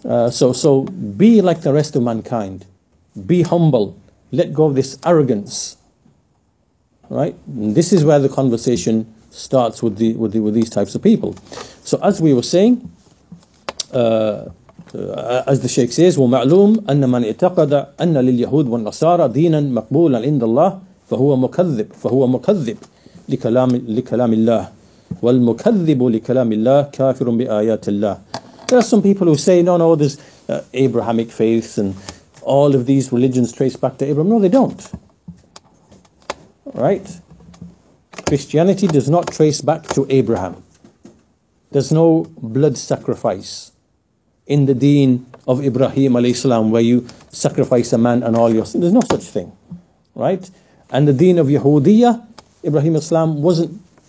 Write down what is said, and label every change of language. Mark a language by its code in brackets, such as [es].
[en] So be like the rest of mankind. Be humble. Let go of this arrogance. Right? And this is where the conversation starts with these types of people. So as we were saying, as the Shaykh says, [ar] وَمَعْلُومُ أَنَّ مَنْ اِتَقَدَ أَنَّ لِلْيَهُودِ وَالنَّصَارَ دِينًا مَقْبُولًا عِنْدَ اللَّهِ فَهُوَ مُكَذِّبُ لِكَلَامِ اللَّهِ وَالْمُكَذِّبُ لِكَلَامِ اللَّهِ كَافِرٌ بِآيَاتِ اللَّهِ. [en] There are some people who say, no, there's Abrahamic faiths and all of these religions trace back to Abraham. No, they don't. Right? Christianity does not trace back to Abraham. There's no blood sacrifice in the deen of Ibrahim alayhi salam, where you sacrifice a man and all your sins. There's no such thing. Right? And the deen of Yahudiyya, Ibrahim alayhi salam, wasn't